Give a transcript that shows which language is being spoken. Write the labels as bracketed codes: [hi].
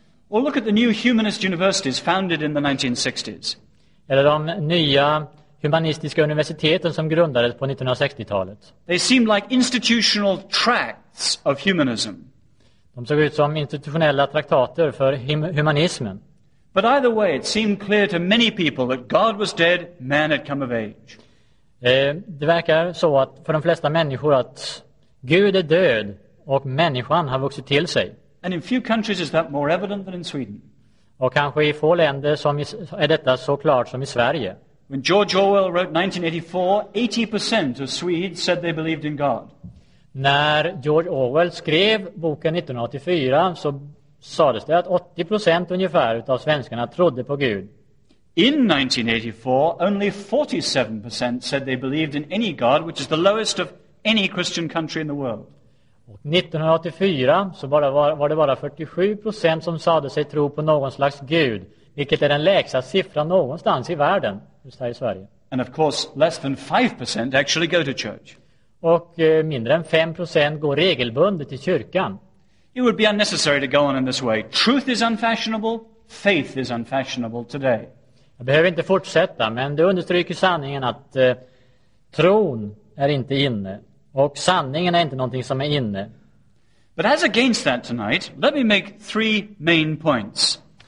[en] Well, look at the new humanist universities founded in the 1960s. [sv] Eller de nya humanistiska universiteten som grundades på 1960-talet. [en] They seem like institutional tracts of humanism. [sv] De såg ut som institutionella traktater för humanismen. [en] But either way, it seemed clear to many people that God was dead, man had come of age. [sv] Det verkar så att för de flesta människor att Gud är död och människan har vuxit till sig. [en] And in few countries is that more evident than in Sweden. [sv] Och kanske i få länder som är detta så klart som i Sverige. [en] When George Orwell wrote 1984, 80% of Swedes said they believed in God. [sv] När George Orwell skrev boken 1984 så sades det att 80% ungefär utav svenskarna trodde på Gud. [en] In 1984, only 47% said they believed in any God, which is the lowest of any Christian country in the world. [sv] Och 1984 så var det bara 47% som sade sig tro på någon slags Gud, vilket är den lägsta siffran någonstans i världen. [en] And of course, less than 5% actually go to church. [sv] Och mindre än 5% går regelbundet till kyrkan. [en] It would be unnecessary to go on in this way. Truth is unfashionable. Faith is unfashionable today. [sv] Jag behöver inte fortsätta, men det understryker sanningen att tron är inte inne. Och sanningen är inte någonting som är inne. [en] But as against that tonight, let me make three main points.